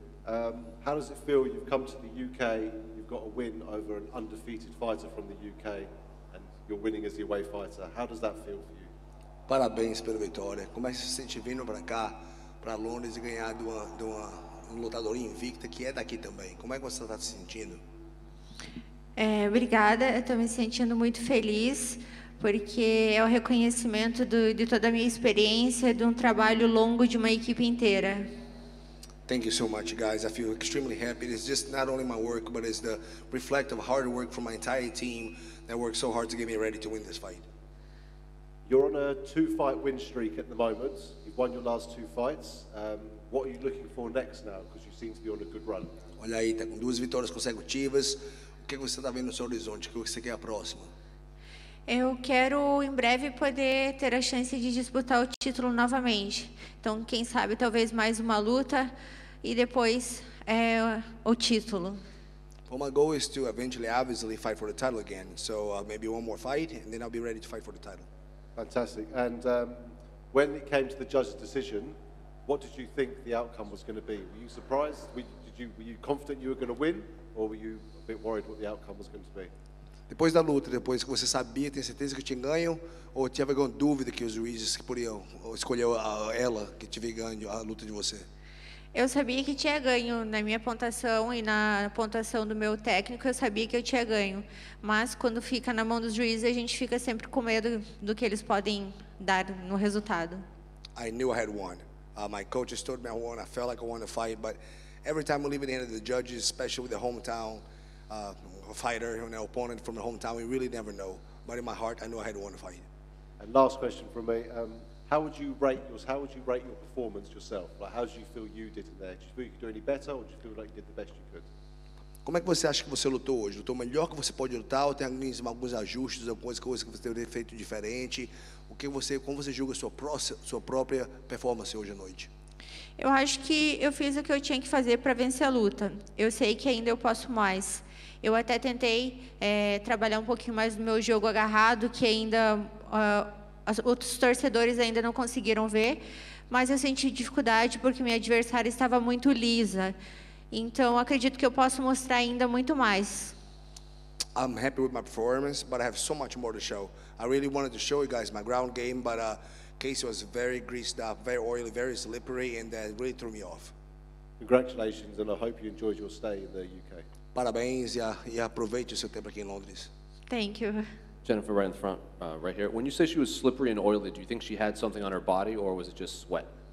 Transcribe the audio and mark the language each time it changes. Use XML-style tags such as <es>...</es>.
<en>How does it feel you've come to the UK, you've got a win over an undefeated fighter from the UK, and you're winning as the away fighter? How does that feel for you?</en> <pt>Parabéns pela vitória. Como é que você se sente vindo para cá, para Londres, e ganhar de um lutador invicta que é daqui também? Como é que você está se sentindo? Obrigada. Eu estou me sentindo muito feliz, porque é o reconhecimento de toda a minha experiência, de um trabalho longo de uma equipe inteira.</pt> <en>Thank you so much, guys. I feel extremely happy. It's just not only my work, but it's the reflect of hard work from my entire team that worked so hard to get me ready to win this fight. You're on a two-fight win streak at the moment. You've won your last two fights. What are you looking for next now? Because you seem to be on a good run.</en> <pt>Olha aí, tá com duas vitórias consecutivas. O que você está vendo no seu horizonte? O que você quer a próxima? Eu quero em breve poder ter a chance de disputar o título novamente. Então, quem sabe, talvez mais uma luta e depois o título.</pt> <en>Well, my goal is to eventually, obviously, fight for the title again. So, maybe one more fight and then I'll be ready to fight for the title. Fantastic. And when it came to the judge's decision, what did you think the outcome was going to be? Were you surprised? Were you confident you were going to win, or were you a bit worried what the outcome was going to be?</en> <pt>Depois da luta, depois que você sabia, tem certeza que tinha ganho, ou tinha alguma dúvida que os juízes poderiam escolher ela que tiver ganho a luta de você? Eu sabia que tinha ganho na minha pontuação e na pontuação do meu técnico, eu sabia que eu tinha ganho. Mas quando fica na mão dos juízes, a gente fica sempre com medo do que eles podem dar no resultado.</pt> <en>I knew I had won. My coaches told me I won. I felt like I won the fight, but every time we leave it in the hands of the judges, especially with the hometown fighter and an opponent from the hometown, we really never know. But in my heart, I knew I had won the fight. And last question from me. How would you rate your performance yourself? Like, how do you feel you did in there? Do you feel you could do any better, or do you feel like you did the best you could?</en> <pt>Como é que você acha que você lutou hoje? Lutou melhor que você pode lutar? Ou tem alguns ajustes, algumas coisas que você deveria ter feito diferente? Como você julga sua própria performance hoje à noite? Eu acho que eu fiz o que eu tinha que fazer para vencer a luta. Eu sei que ainda eu posso mais. Eu até tentei trabalhar um pouquinho mais no meu jogo agarrado, que ainda outros torcedores ainda não conseguiram ver, mas eu senti dificuldade porque minha adversária estava muito lisa. Então, acredito que eu posso mostrar ainda muito mais.</pt> <en>I'm happy with my performance, but I have so much more to show. I really wanted to show you guys my ground game, but Casey was very greased up, very oily, very slippery, and that really threw me off. Congratulations, and I hope you enjoyed your stay in the UK.</en> <pt>Parabéns e aproveite o seu tempo aqui em Londres.</pt> <en>Thank you. Jennifer, right in the front, right here. When you say she was slippery and oily, do you think she had something on her body, or was it just sweat?</en>